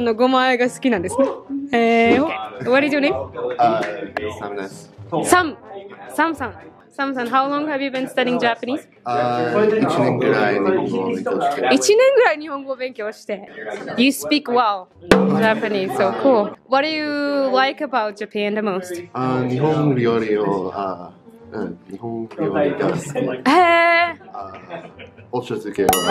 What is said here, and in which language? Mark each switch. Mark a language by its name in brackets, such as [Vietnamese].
[Japanese] のごまえが好きなんですね。 [English] What is your name? [Japanese] Sam です。 [English] Sam. Sam-san, how long have you been studying Japanese? [Japanese] 1年ぐらい日本語を勉強して。 [English] You speak well Japanese, so cool. What do you like about Japan the most? [Japanese] 日本料理を、日本料理が好き。お茶漬けを。